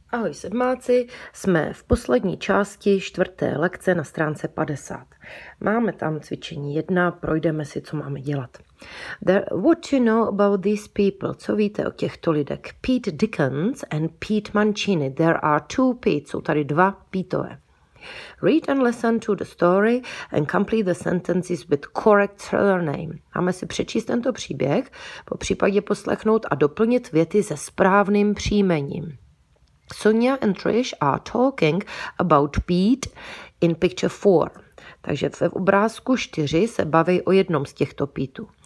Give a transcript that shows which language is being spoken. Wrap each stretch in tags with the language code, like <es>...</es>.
<cs>Ahoj sedmáci, jsme v poslední části čtvrté lekce na stránce 50. Máme tam cvičení 1, projdeme si, co máme dělat.</cs> <en>What you know about these people?</en> <cs>Co víte o těchto lidech?</cs> <en>Pete Dickens and Pete Mancini. There are two Pete,</en> <cs>jsou tady dva Pete.</cs> <en>Read and listen to the story and complete the sentences with correct surname.</en> <cs>Máme si přečíst tento příběh, po případě poslechnout a doplnit věty se správným příjmením.</cs> <en>Sonia and Trish are talking about Pete in picture 4.</en> <cs>Takže v obrázku 4 se baví o jednom z těchto Pete.</cs>